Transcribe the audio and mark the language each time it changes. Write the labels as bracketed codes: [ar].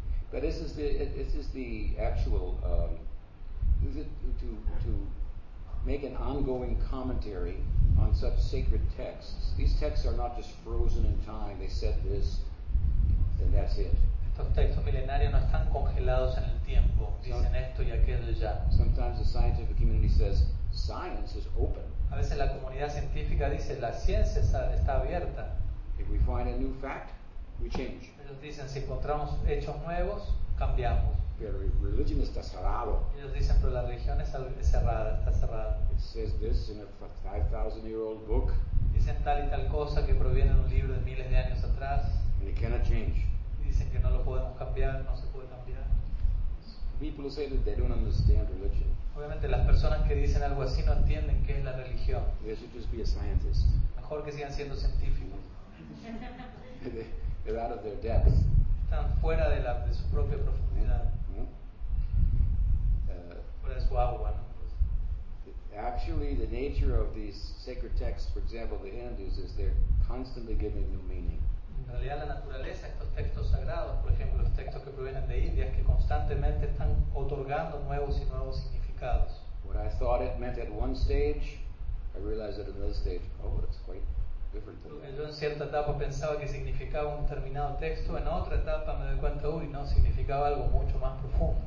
[en] But this is the actual to make an ongoing commentary on such sacred texts. These texts are not just frozen in time. They said this, and that's it. [es] Estos textos milenarios no están congelados en el tiempo. Dicen esto y aquello ya. [en] Sometimes the scientific community says science is open. [es] A veces la comunidad científica dice la ciencia está abierta. [en] If we find a new fact, we change. [es] Ellos dicen si encontramos hechos nuevos, cambiamos. Pero la religión está cerrada. Ellos dicen pero la religión es cerrada, está cerrada. [en] It says this in a 5,000-year-old book. [es] Dicen tal y tal cosa que proviene de un libro de miles de años atrás. [en] And it cannot change. [es] Dicen que no lo podemos cambiar, no se puede cambiar. [en] People say that they don't understand religion. [es] Obviamente las personas que dicen algo así no entienden qué es la religión. [en] They should just be a scientist. [es] Mejor que sigan siendo científicos. [en] They're out of their depth. [es] Están fuera de su propia profundidad. Fuera de su agua, ¿no? [en] Actually, the nature of these sacred texts, for example, the Hindus, is they're constantly giving new meaning. [es] En realidad, la naturaleza, estos textos sagrados, por ejemplo, los textos que provienen de India, es que constantemente están otorgando nuevos y nuevos significados. [en] What I thought it meant at one stage, I realized at another stage, oh, it's quite different. [es] Lo que yo en cierta etapa pensaba que significaba un determinado texto, en otra etapa me doy cuenta, uy, no, significaba algo mucho más profundo.